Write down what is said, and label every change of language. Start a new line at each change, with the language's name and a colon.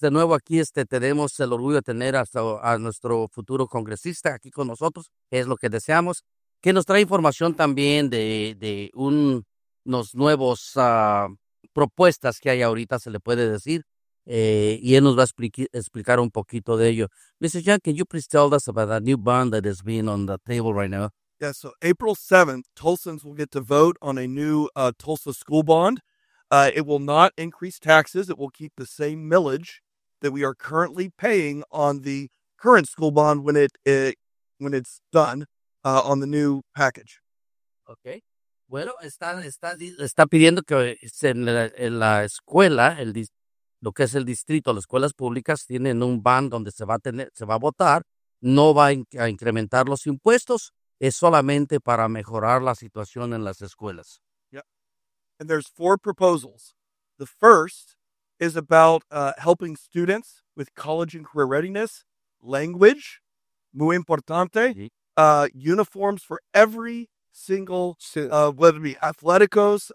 Spanish: De nuevo aquí tenemos el orgullo de tener a nuestro futuro congresista aquí con nosotros. Es lo que deseamos. Que nos trae información también de unos nuevos propuestas que hay ahorita, se le puede decir. Y él nos va a explicar un poquito de ello.
English: Mr. John, can you please tell us about that new bond that is being on the table right now? Yes, so April 7th, Tulsans will get to vote on a new Tulsa school bond. It will not increase taxes. It will keep the same millage that we are currently paying on the current school bond when it's done on the new package. Okay.
Spanish: Bueno, está pidiendo que en la escuela, lo que es el distrito, las escuelas públicas tienen un bond donde se va a votar. No va a incrementar los impuestos. Es solamente para mejorar la situación en las escuelas.
English: And there's four proposals. The first is about helping students with college and career readiness, language,
Spanish: muy importante,
English: uniforms for every single, whether it be athleticos.